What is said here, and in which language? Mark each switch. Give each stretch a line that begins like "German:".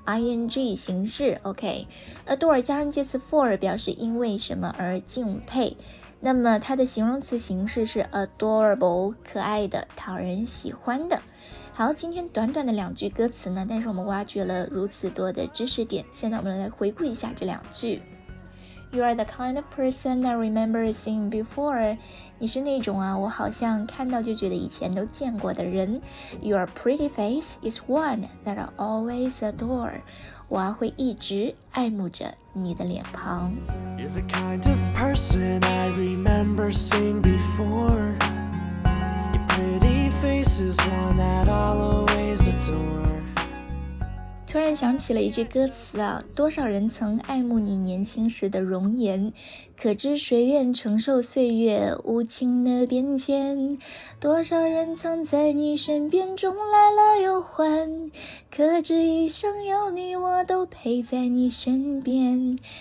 Chinese: ing 形式。OK， adore 加上介词 for 表示因为什么而敬佩，那么它的形容词形式是 adorable， 可爱的、讨人喜欢的。好，今天短短的两句歌词呢，但是我们挖掘了如此多的知识点，现在我们来回顾一下这两句。
English: You are the kind of person that remembers seeing before.
Chinese: 你是那种啊，我好像看到就觉得以前都见过的人。
English: Your pretty face is one that I always adore.
Chinese: 我会一直爱慕着你的脸庞。
English: You're the kind of person I remember seeing before. Your pretty face is one that I'll always adore.
Chinese: 突然想起了一句歌词啊，多少人曾爱慕你年轻时的容颜，可知谁愿承受岁月无情的变迁，多少人曾在你身边中来了又还，可知一生有你我都陪在你身边。